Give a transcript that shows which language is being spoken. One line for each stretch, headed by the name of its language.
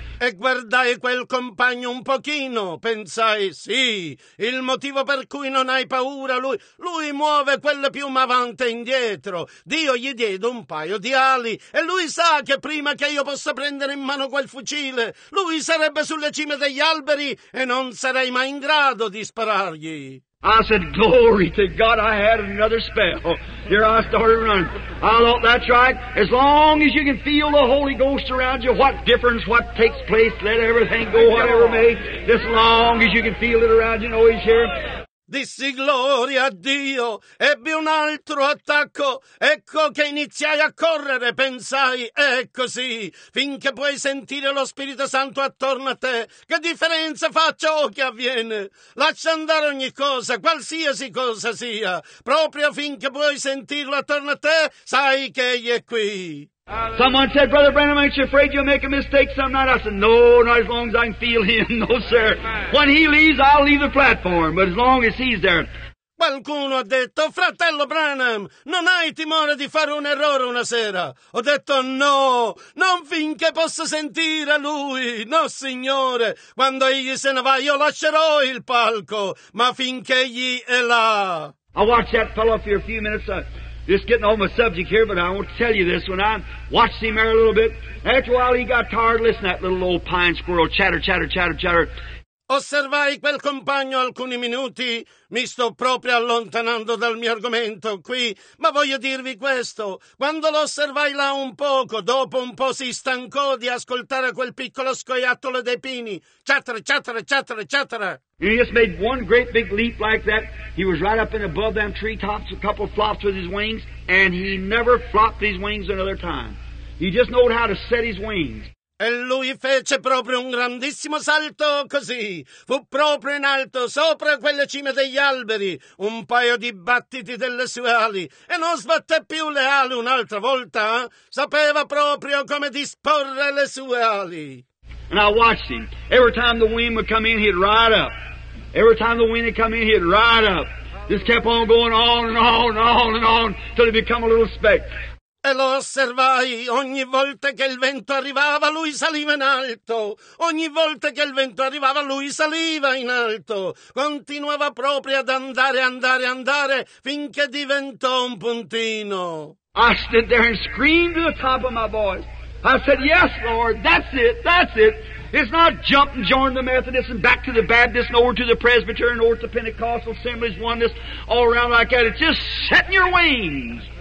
Italian: E guardai quel compagno un pochino, pensai, sì, il motivo per cui non hai paura, lui muove quelle piume avanti e indietro. Dio gli diede un paio di ali e lui sa che prima che io possa prendere in mano quel fucile, lui sarebbe sulle cime degli alberi e non sarei mai in grado di sparargli.
English: I said, glory to God, I had another spell. Here I started running. I thought, that's right. As long as you can feel the Holy Ghost around you, what difference, what takes place, let everything go, whatever may. As long as you can feel it around you, know he's here.
Italian: Dissi gloria a Dio, ebbi un altro attacco, ecco che iniziai a correre, pensai, è così, finché puoi sentire lo Spirito Santo attorno a te, che differenza fa ciò che avviene, lascia andare ogni cosa, qualsiasi cosa sia, proprio finché puoi sentirlo attorno a te, sai che egli è qui.
English: Someone said, Brother Branham, aren't you afraid you'll make a mistake some night? I said, no, not as long as I can feel him. No, sir. When he leaves, I'll leave the platform, but as long as he's there.
Italian: Qualcuno ha detto, fratello Branham, non hai timore di fare un errore una sera? Ho detto, no, non finché posso sentire lui. No, signore, quando egli se ne va, io lascerò il palco, ma finché egli è là.
English: I'll watch that fellow for a few minutes, just getting off my subject here, but I won't tell you this one. I watched him there a little bit. After a while, he got tired. Listen to that little old pine squirrel chatter, chatter, chatter, chatter.
Italian: Osservai quel compagno alcuni minuti. Mi sto proprio allontanando dal mio argomento qui, ma voglio dirvi questo. Quando lo osservai là un poco, dopo un po' si stancò di ascoltare quel piccolo scoiattolo dei pini.
English: Chatter, chatter, chatter, chatter. And he just made one great big leap like that. He was right up and above them treetops, a couple flops with his wings, and he never flopped his wings another time. He just knew how to set his wings.
Italian: E lui fece proprio un grandissimo salto così. Fu proprio in alto, sopra quelle cime degli alberi, un paio di battiti delle sue ali, e non sbatté più le ali un'altra volta. Sapeva proprio come disporre le sue ali.
English: And I watched him. Every time the wind would come in, he'd ride up. Every time the wind would come in, he'd ride up. Just kept on going on and on and on and on till he'd become a little speck.
Italian: E lo osservai, ogni volta che il vento arrivava lui saliva in alto, ogni volta che il vento arrivava lui saliva in alto, continuava proprio ad andare, andare, andare, finché diventò un puntino.
English: I stood there and screamed to the top of my voice. I said, yes, Lord, that's it, it's not jump and join the Methodist and back to the Baptist and over to the Presbyterian and over to the Pentecostal Assemblies, oneness, all around like that, it's just setting your wings.